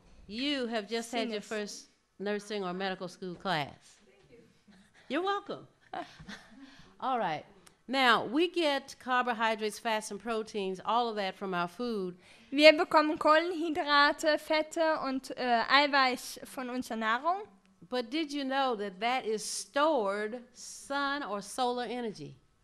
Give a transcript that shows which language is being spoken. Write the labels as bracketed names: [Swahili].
[English] You have just sinus. Had your first nursing or medical school class. Thank you. You're welcome. All right. Now, we get carbohydrates, fats, and proteins, all of that from our food. [German] Wir bekommen Kohlenhydrate, Fette und Eiweiß von unserer Nahrung. [English] But did you know that that is stored sun or solar energy?